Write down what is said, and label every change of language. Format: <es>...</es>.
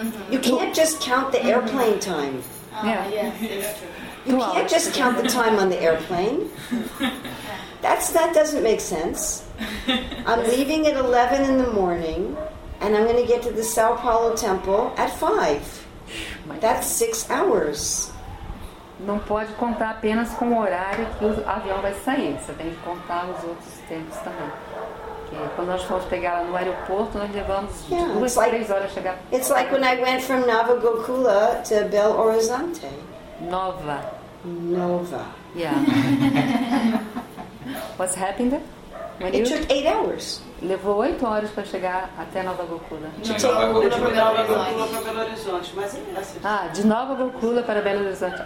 <en>You can't just count the airplane time. Yeah, that's true. You can't just count the time on the airplane. That doesn't make sense. I'm leaving at 11 in the morning, and I'm going to get to the Sao Paulo temple at 5. That's 6 hours.</en> <pt>Não pode contar apenas com o horário que o avião vai sair. Você tem que contar os outros tempos também. Porque quando nós fomos pegar lá no aeroporto, nós levamos 2, 3 horas a chegar.</pt> <en>It's like when I went from Nova Gokula to Belo Horizonte. Nova. Nova. Yeah. What's happened there? When it took 8 hours.</en> <pt>Levou 8 horas para chegar até Nova Gokula. De Nova Gokula para Belo Horizonte.</pt>